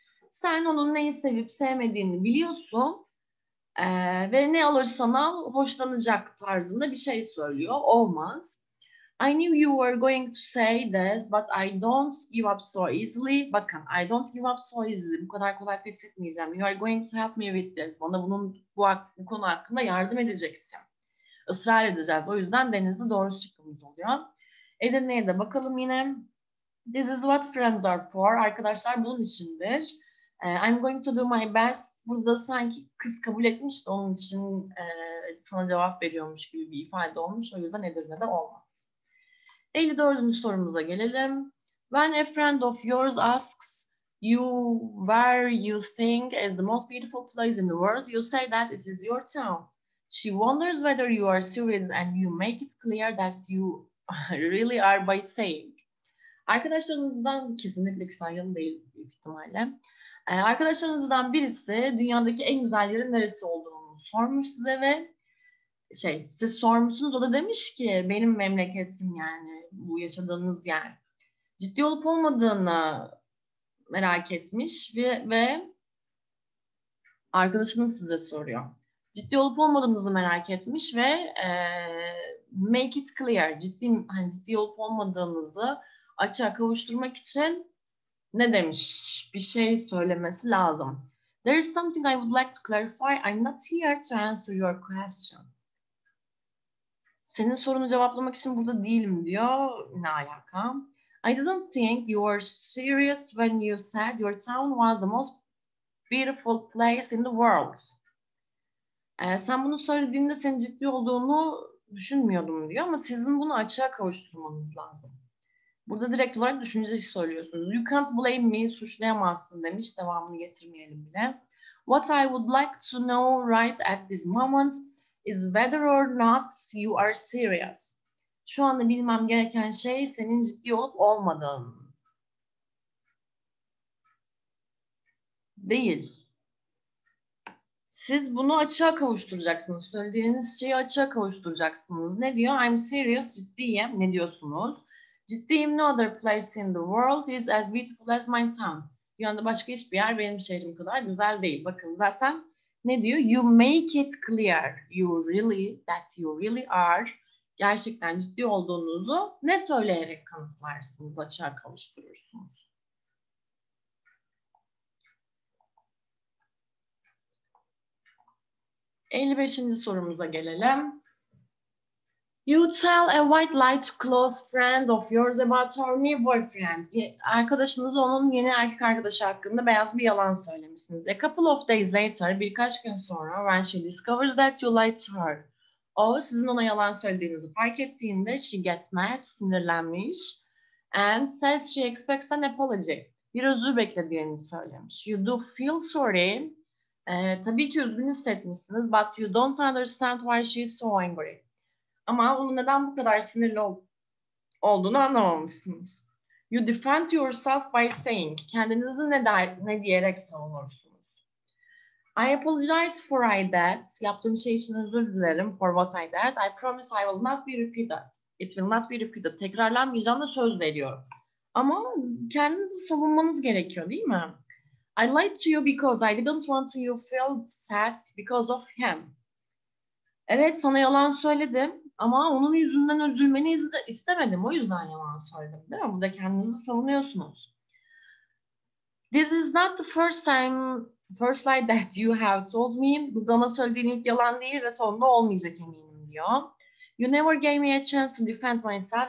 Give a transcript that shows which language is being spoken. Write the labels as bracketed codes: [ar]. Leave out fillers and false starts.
[tr] Sen onun neyi sevip sevmediğini biliyorsun ve ne alırsan al hoşlanacak tarzında bir şey söylüyor. Olmaz. [en] I knew you were going to say this but I don't give up so easily. [tr] Bakın, [en] I don't give up so easily. [tr] Bu kadar kolay pes etmeyeceğim. [en] You are going to help me with this. [tr] Bana bunun bu konu hakkında yardım edeceksin. Israr edeceğiz. O yüzden Deniz'de doğru çıkmamız oluyor. Edirne'ye de bakalım yine. [en] This is what friends are for. [tr] Arkadaşlar bunun içindir. [en] I'm going to do my best. [tr] Burada sanki kız kabul etmiş de onun için sana cevap veriyormuş gibi bir ifade olmuş. O yüzden Edirne'de olmaz. 54. sorumuza gelelim. [en] When a friend of yours asks you where you think is the most beautiful place in the world, you say that it is your town. She wonders whether you are serious and you make it clear that you really are by saying. [tr] Arkadaşlarınızdan kesinlikle küfayalı değil büyük ihtimalle. Arkadaşlarınızdan birisi dünyadaki en güzel yerin neresi olduğunu sormuş size ve siz sormuşsunuz, o da demiş ki benim memleketim, yani bu yaşadığınız yer. Ciddi olup olmadığını merak etmiş ve arkadaşınız size soruyor. Ciddi olup olmadığınızı merak etmiş ve make it clear, ciddi, hani ciddi olup olmadığınızı açığa kavuşturmak için ne demiş? Bir şey söylemesi lazım. [en] There is something I would like to clarify. I'm not here to answer your question. [tr] Senin sorunu cevaplamak için burada değilim diyor. Ne alaka? [en] I didn't think you were serious when you said your town was the most beautiful place in the world. [tr] Sen bunu söylediğinde senin ciddi olduğunu düşünmüyordum diyor. Ama sizin bunu açığa kavuşturmanız lazım. Burada direkt olarak düşünceyi söylüyorsunuz. [en] You can't blame me, [tr] suçlayamazsın demiş. Devamını getirmeyelim bile. [en] What I would like to know right at this moment is whether or not you are serious. [tr] Şu anda bilmem gereken şey senin ciddi olup olmadığın. Değil. Siz bunu açığa kavuşturacaksınız. Söylediğiniz şeyi açığa kavuşturacaksınız. Ne diyor? [en] I'm serious, [tr] ciddiyim. Ne diyorsunuz? [en] Ciddiyim, no other place in the world is as beautiful as my town. [tr] Yani başka hiçbir yer benim şehrim kadar güzel değil. Bakın zaten. Ne diyor? [en] You make it clear you really, that you really are, [tr] gerçekten ciddi olduğunuzu ne söyleyerek kanıtlarsınız, açığa kavuşturursunuz. Elli beşinci sorumuza gelelim. [en] You tell a white lie to close friend of yours about her new boyfriend. [tr] Arkadaşınız onun yeni erkek arkadaşı hakkında beyaz bir yalan söylemişsiniz. [en] A couple of days later, [tr] birkaç gün sonra, [en] when she discovers that you lied to her. [tr] O, sizin ona yalan söylediğinizi fark ettiğinde [en] she gets mad, [tr] sinirlenmiş. [en] And says she expects an apology. [tr] Bir özür beklediğini söylemiş. [en] You do feel sorry. [tr] Tabii ki üzgün hissetmişsiniz. [en] But you don't understand why she is so angry. [tr] Ama onun neden bu kadar sinirli olduğunu anlamamışsınız. [en] You defend yourself by saying. [tr] Kendinizi ne diyerek savunursunuz. [en] I apologize for I did. [tr] Yaptığım şey için özür dilerim. [en] For what I did. I promise I will not be repeated. It will not be repeated. [tr] Tekrarlanmayacağına söz veriyorum. Ama kendinizi savunmanız gerekiyor değil mi? [en] I lied to you because I didn't want you to feel sad because of him. [tr] Evet, sana yalan söyledim. Ama onun yüzünden üzülmeni istemedim. O yüzden yalan söyledim. Değil mi? Burada kendinizi savunuyorsunuz. [en] This is not the first lie that you have told me. [tr] Bu bana söylediğin ilk yalan değil ve sonunda olmayacak eminim diyor. [en] You never gave me a chance to defend myself.